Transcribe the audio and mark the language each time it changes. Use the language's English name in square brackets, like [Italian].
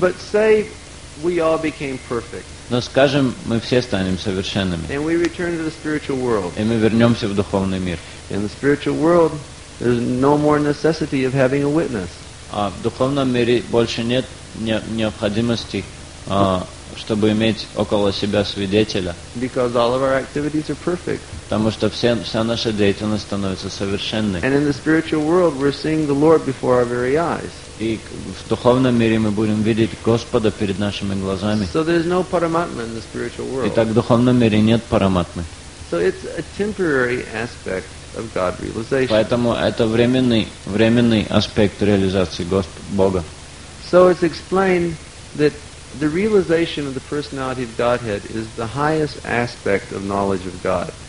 [English] But say we all became perfect. [Russian] Но скажем, мы все станем совершенными. [English] And we return to the spiritual world. [Russian] И мы вернемся в духовный мир. [English] In the spiritual world, there's no more necessity of having a witness. [Russian] А в духовном мире больше нет необходимости, чтобы иметь около себя свидетеля. [English] Because all of our activities are perfect. [Russian] Потому что вся наша деятельность становится совершенной. [English] And in the spiritual world, we're seeing the Lord before our very eyes. [Russian] И в духовном мире мы будем видеть Господа перед нашими глазами. [English] So there's no paramatma in the spiritual world. [Russian] Итак, в духовном мире нет параматмы. [English] So it's a temporary aspect of God realization. [Russian] Поэтому это временный аспект реализации Бога. [English] So it's explained that the realization of the personality of Godhead is the highest aspect of knowledge of God.